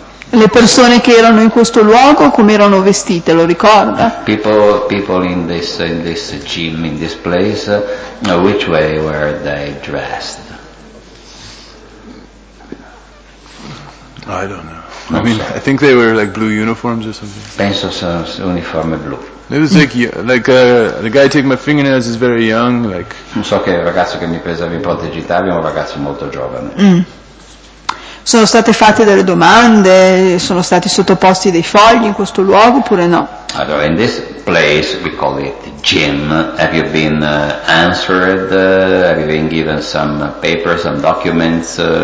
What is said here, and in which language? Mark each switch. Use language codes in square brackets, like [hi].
[it] Le persone che erano in questo luogo come erano vestite, lo ricorda? [en] People in this gym, in this place, which way were they dressed? I don't know. I think they were like blue uniforms or something. [it] Penso sono uniforme blu. [en] It was like the guy taking my fingernails is very young, like. [it] Non so che ragazzo che mi pesa mi porta digitale, è un ragazzo molto giovane. Sono state fatte delle domande, sono stati sottoposti dei fogli in questo luogo oppure no? Allora, [en] in this place we call it gym. Have you been answered? Have you been given some papers, some documents?